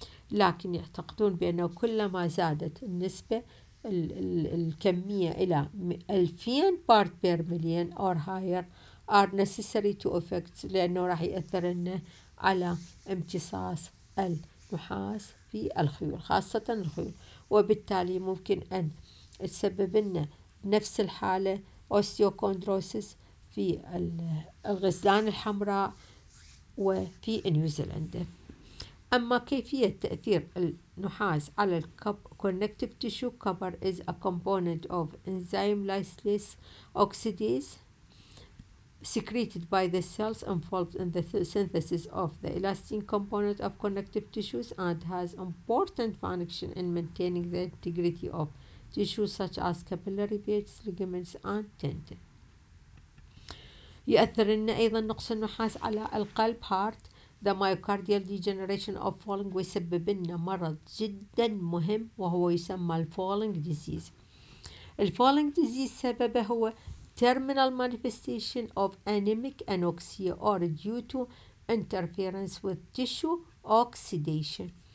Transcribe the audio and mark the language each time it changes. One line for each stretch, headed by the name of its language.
Arabic: لكن يعتقدون بأن كلما زادت النسبة الكمية إلى
English: 2000 parts per million or higher are necessary to effects
Arabic: لأنه راح يأثر لنا على امتصاص النحاس في الخيول خاصة الخيول وبالتالي ممكن أن تسبب لنا نفس الحالة osteochondrosis في الغزلان الحمراء وفي نيوزيلندا. أما كيفية تأثير النحاس على ال
English: connective tissue cover is a component of enzyme lysylase oxidase secreted by the cells involved in the synthesis of the elastin component of connective tissues and has important function in maintaining the integrity of tissues such as capillary beds, ligaments, and tendon.
Arabic: يؤثر لنا أيضا نقص النحاس على القلب heart.
English: The myocardial degeneration of falling
Arabic: ويسبب لنا مرض جدا مهم وهو يسمى falling disease.
English: Falling disease
Arabic: سببه هو
English: terminal manifestation of anemic anoxia or due to interference with tissue oxidation.